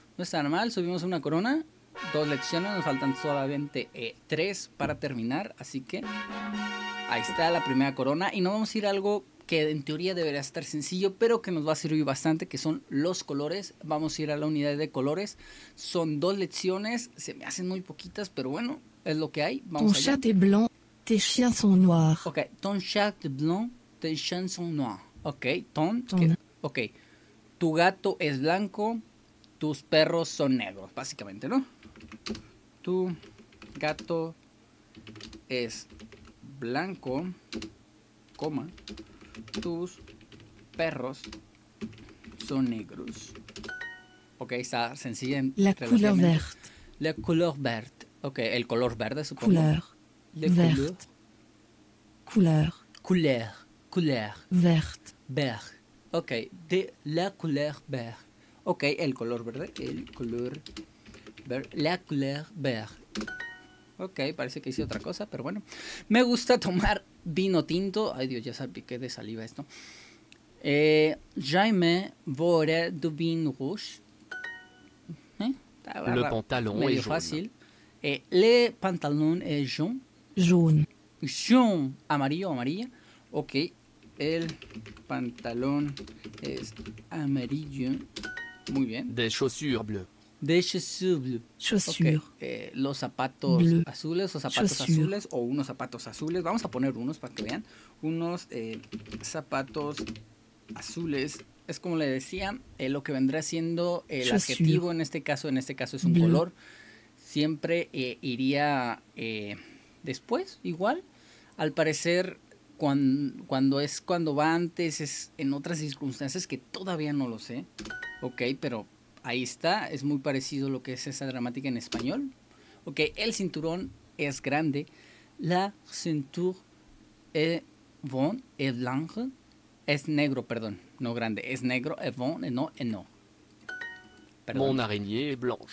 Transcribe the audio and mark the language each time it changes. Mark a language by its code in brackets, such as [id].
[es] No está normal, subimos una corona, dos lecciones, nos faltan solamente tres para terminar, así que Ahí está la primera corona. Y nos vamos a ir a algo que en teoría debería estar sencillo, pero que nos va a servir bastante, que son los colores. Vamos a ir a la unidad de colores. Son dos lecciones. Se me hacen muy poquitas, pero bueno, es lo que hay. Vamos ton allá. [fr] Chat est blanc, tes chiens sont noirs. Ok, ton chat est blanc, tes chiens sont noirs. Ok, ton. Ton. [es] Que, ok, tu gato es blanco, tus perros son negros, básicamente, ¿no? Tu gato es blanco, coma, tus perros son negros. Ok, está sencilla. [fr] La couleur verte. La couleur verte. [es] Ok, el color verde, supongo. [fr] Couleur. La couleur. Couleur. Couleur. Couleur. Verte. Verte. Ok, de la couleur verte. Ok, [es] el color verde. El color verde. [fr] La couleur verte. [es] Ok, parece que hice otra cosa, pero bueno. Me gusta tomar vino tinto. Ay, Dios, ya salpiqué de saliva esto. [fr] J'aime boire du vin rouge. Le pantalon est jaune. Fácil. Le pantalon est jaune. Jaune. [es] Jaune. Amarillo, amarilla. Ok, el pantalon es amarillo. Muy bien. [fr] Des chaussures bleues. Des chaussures bleues. Chaussures. [es] Okay. Los zapatos bleu. Azules o zapatos chaussures. Azules o unos zapatos azules. Vamos a poner unos para que vean. Unos zapatos azules. Es como le decía, lo que vendrá siendo el chaussures. Adjetivo en este caso. En este caso es un bleu. Color. Siempre iría después, igual. Al parecer, cuando va antes, es en otras circunstancias que todavía no lo sé. Ok, pero ahí está, es muy parecido lo que es esa gramática en español. Ok, el cinturón es grande. [fr] La ceinture est bon, est blanche. [es] Es negro, perdón, no grande, es negro, [fr] est bon, et no, et no. [es] Perdón. [fr] Mon araignée est blanche.